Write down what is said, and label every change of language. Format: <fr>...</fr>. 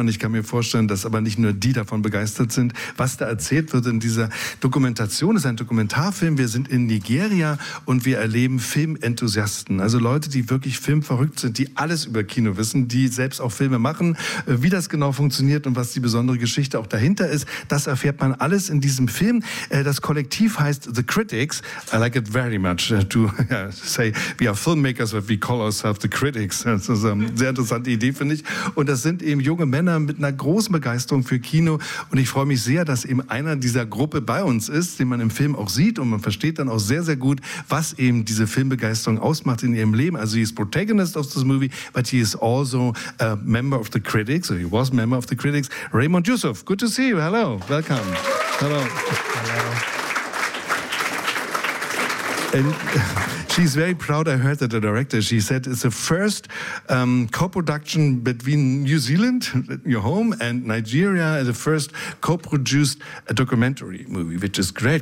<de>Und ich kann mir vorstellen, dass aber nicht nur die davon begeistert sind, was da erzählt wird in dieser Dokumentation. Es ist ein Dokumentarfilm. Wir sind in Nigeria und wir erleben Filmenthusiasten. Also Leute, die wirklich filmverrückt sind, die alles über Kino wissen, die selbst auch Filme machen. Wie das genau funktioniert und was die besondere Geschichte auch dahinter ist, das erfährt man alles in diesem Film. Das Kollektiv heißt The Critics.</de> <en>I like it very much to say we are filmmakers, but we call ourselves the critics.</en> <de>Das ist eine sehr interessante Idee, finde ich. Und das sind eben junge Männer mit einer großen Begeisterung für Kino. Und ich freue mich sehr, dass eben einer dieser Gruppe bei uns ist, den man im Film auch sieht. Und man versteht dann auch sehr, sehr gut, was eben diese Filmbegeisterung ausmacht in ihrem Leben.</de> <en>Also he is protagonist of this movie, but he is also a member of the critics. Or he was a member of the critics. Raymond Yusuf, good to see you. Hello, welcome. Hello. Hello. And she's very proud. I heard that the director, she said it's the first co-production between New Zealand, your home, and Nigeria, the first co-produced documentary movie, which is great.</en>